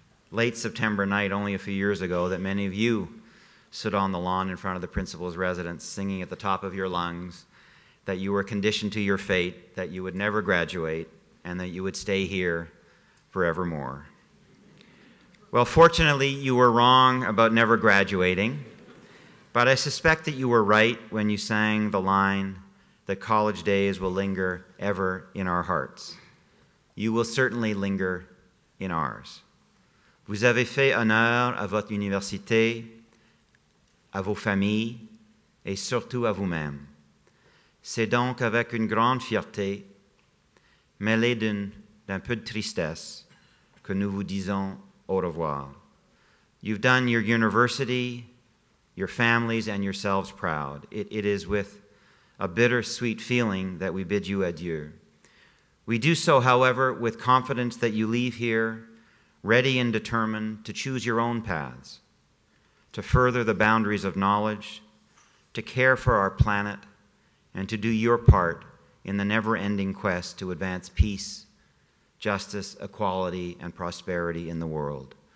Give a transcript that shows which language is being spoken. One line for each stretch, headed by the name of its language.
English: late September night only a few years ago that many of you stood on the lawn in front of the principal's residence singing at the top of your lungs that you were conditioned to your fate, that you would never graduate, and that you would stay here forevermore. Well, fortunately, you were wrong about never graduating, but I suspect that you were right when you sang the line that college days will linger ever in our hearts. You will certainly linger in ours.
French: Vous avez fait honneur à votre université, à vos familles, et surtout à vous-même. C'est donc avec une grande fierté, mêlée d'un peu de tristesse, que nous vous disons au revoir.
English: You've done your university, your families, and yourselves proud. It is with a bittersweet feeling that we bid you adieu. We do so, however, with confidence that you leave here ready and determined to choose your own paths, to further the boundaries of knowledge, to care for our planet, and to do your part in the never-ending quest to advance peace, justice, equality, and prosperity in the world.